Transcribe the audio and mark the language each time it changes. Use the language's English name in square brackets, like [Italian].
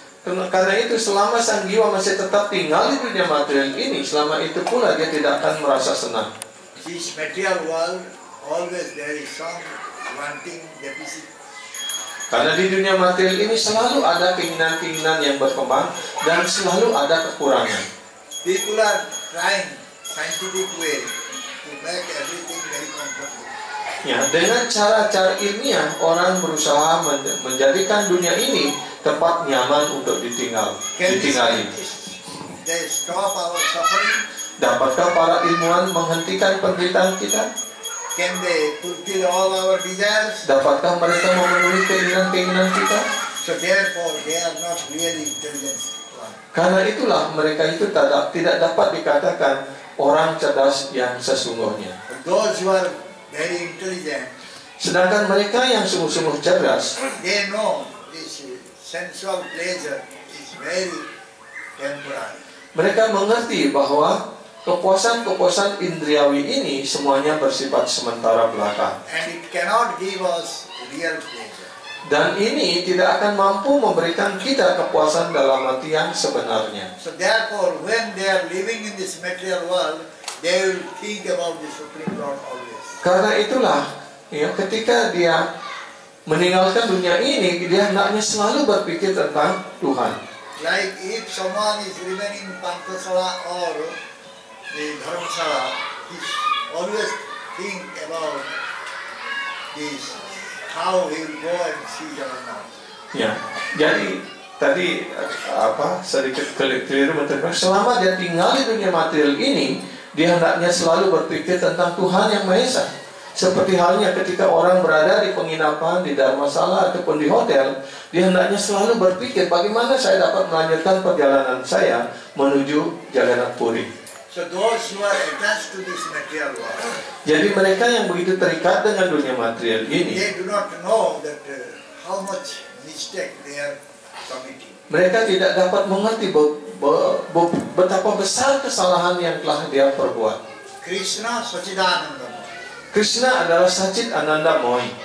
[Indonesian] karena itu selama sang jiwa masih tetap tinggal di dunia material ini, selama itu pula dia tidak akan merasa senang. [English] This material world always there is some wanting deficit. [Indonesian] Karena di dunia material ini selalu ada keinginan-keinginan yang berkembang dan selalu ada kekurangan. [English] People are trying scientific way to to make everything very comfortable. [Indonesian] Ya, dengan cara-cara ilmiah orang berusaha menjadikan dunia ini tempat nyaman untuk ditinggali. [English] They stop our suffering? [Indonesian] Dapatkah para ilmuwan menghentikan penderitaan kita? [English] Can they fulfill all our desires? [Indonesian] Dapatkah mereka memenuhi keinginan-keinginan kita? [English] So therefore, they are not really intelligent. [Indonesian] Karena itulah mereka itu tidak dapat dikatakan orang cerdas yang sesungguhnya. [English] Those who are very intelligent. [Indonesian] Sedangkan mereka yang sungguh-sungguh cerdas, [English] they know this sensual pleasure is very temporary. [Indonesian] Mereka mengerti bahwa kepuasan-kepuasan indriawi ini semuanya bersifat sementara belaka. [English] And it cannot give us real pleasure. [Indonesian] Dan ini tidak akan mampu memberikan kita kepuasan dalam hati yang sebenarnya. [English] So therefore, when they are living in this material world, they will think about the Supreme Lord always. [Indonesian] Karena itulah, ya, ketika dia meninggalkan dunia ini, dia hendaknya selalu berpikir tentang Tuhan. [English] Like if someone is remaining in Pantasala or the Dharamsala, he always think about this, how he will go and see Jagannath. [Indonesian] Ya, jadi tadi sedikit keliru menerima. Selama dia tinggal di dunia material ini, dia hendaknya selalu berpikir tentang Tuhan Yang Maha Esa. Seperti halnya ketika orang berada di penginapan, di Dharmasala ataupun di hotel, dia hendaknya selalu berpikir bagaimana saya dapat melanjutkan perjalanan saya menuju Jagannath Puri. [English] So those who are attached to this material world, [Indonesian] jadi mereka yang begitu terikat dengan dunia material ini, [English] they do not know that how much mistake they are committing. [Indonesian] Mereka tidak dapat mengerti betapa besar kesalahan yang telah dia perbuat. [English] Krishna Sachidananda. [Indonesian] Krishna adalah Sachit Ananda Moy.